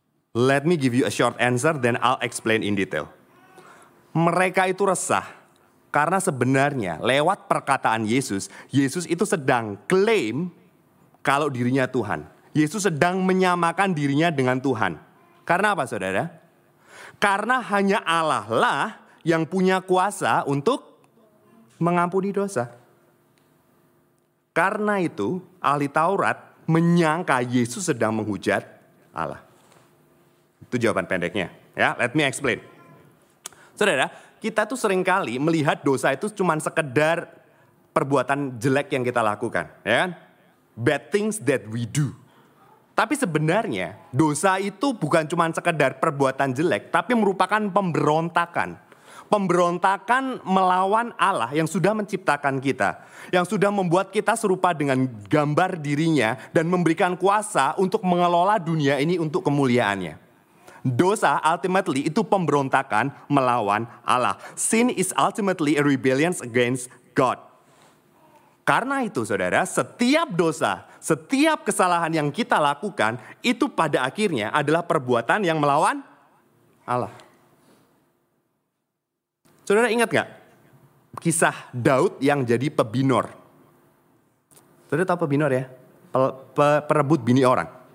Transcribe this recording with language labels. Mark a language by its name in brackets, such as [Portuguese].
[English] Let me give you a short answer, then I'll explain in detail. [Indonesian] Mereka itu resah karena sebenarnya lewat perkataan Yesus, Yesus itu sedang claim kalau dirinya Tuhan. Yesus sedang menyamakan dirinya dengan Tuhan. Karena apa, saudara? Karena hanya Allah lah yang punya kuasa untuk mengampuni dosa. Karena itu, ahli Taurat menyangka Yesus sedang menghujat Allah. Itu jawaban pendeknya. Ya, [English] let me explain. [Indonesian] Saudara, kita tuh seringkali melihat dosa itu cuma sekedar perbuatan jelek yang kita lakukan. Ya kan? [English] Bad things that we do. [Indonesian] Tapi sebenarnya dosa itu bukan cuma sekedar perbuatan jelek, tapi merupakan pemberontakan. Pemberontakan melawan Allah yang sudah menciptakan kita. Yang sudah membuat kita serupa dengan gambar dirinya dan memberikan kuasa untuk mengelola dunia ini untuk kemuliaannya. Dosa ultimately itu pemberontakan melawan Allah. [English] Sin is ultimately a rebellion against God. [Indonesian] Karena itu, saudara, setiap dosa, setiap kesalahan yang kita lakukan, itu pada akhirnya adalah perbuatan yang melawan Allah. Saudara ingat gak kisah Daud yang jadi pebinor? Saudara tahu pebinor ya? Perebut bini orang.